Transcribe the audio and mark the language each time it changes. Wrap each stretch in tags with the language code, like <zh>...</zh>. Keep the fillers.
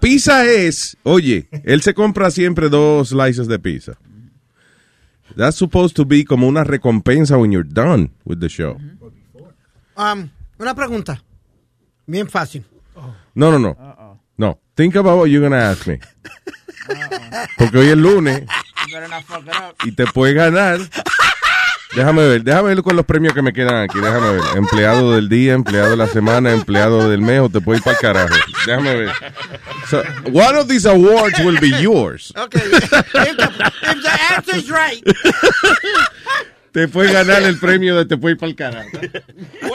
<es>pizza es, oye, él se compra siempre dos slices de pizza.</es> <en>That's supposed to be</en> <es>como una recompensa</es> <en>when you're done with the show. Mm -hmm. oh, boy, boy.</en> <es>Um, una pregunta. Bien fácil. Oh. No, no, no. Uh -oh. No.</es> <en>Think about what you're going to ask me.</en> <es>Uh Porque hoy es lunes. Y te puedes ganar. Déjame ver, déjame ver con los premios que me quedan aquí. Déjame ver. Empleado del día, empleado de la semana, empleado del mes, o te puedo ir para el carajo. Déjame ver.</es> <en>So, one of these awards will be yours. Okay. If the, the answer is right.</en> <es>Te puedes ganar el premio de te puedes ir para el carajo.</es>